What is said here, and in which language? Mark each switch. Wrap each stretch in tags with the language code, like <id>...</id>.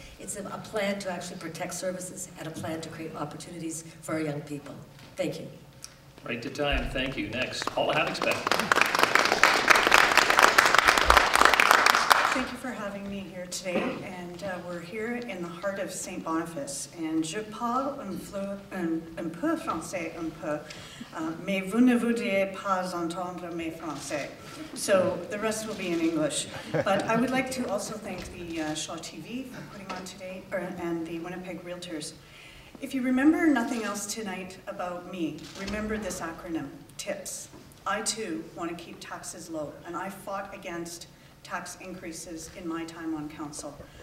<en>It's a plan to actually protect services and a plan to create opportunities for our young people. Thank you. Right to time. Thank you. Next, Paula Havixbeck. Thank you for having me here today, and we're here in the heart of St. Boniface.</en> <fr>And je parle un peu français un peu, mais vous ne voudriez pas entendre mes français.</fr> <en>So the rest will be in English. But I would like to also thank the Shaw TV for putting on today, and the Winnipeg Realtors. If you remember nothing else tonight about me, remember this acronym, TIPS. I too want to keep taxes low, and I fought against tax increases in my time on council.</en>